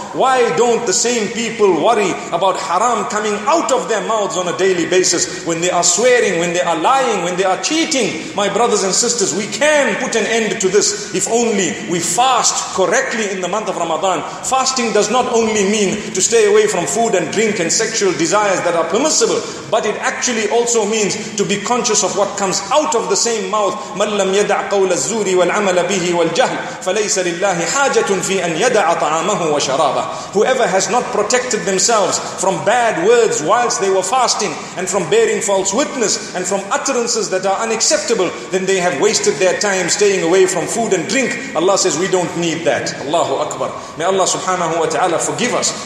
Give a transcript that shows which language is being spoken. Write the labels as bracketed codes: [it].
[en] Why don't the same people worry about haram coming out of their mouths on a daily basis, when they are swearing, when they are lying, when they are cheating? My brothers and sisters, we can put an end to this if only we fast correctly in the month of Ramadan. Fasting does not only mean to stay away from food and drink and sexual desires that are permissible, but it actually also means to be conscious of what comes out of the same mouth, [ar] مَنْ لَمْ يَدَعْ قَوْلَ الزُّورِ وَالْعَمَلَ بِهِ وَالْجَهْلِ فَلَيْسَ لِلَّهِ حَاجَةٌ فِي أَنْ يَدَعَ طَعَامَهُ وَشَرَابَهُ. [en] Whoever has not protected themselves from bad words whilst they were fasting, and from bearing false witness, and from utterances that are unacceptable, then they have wasted their time staying away from food and drink. Allah says, we don't need that. Allahu Akbar. May Allah subhanahu wa ta'ala forgive us.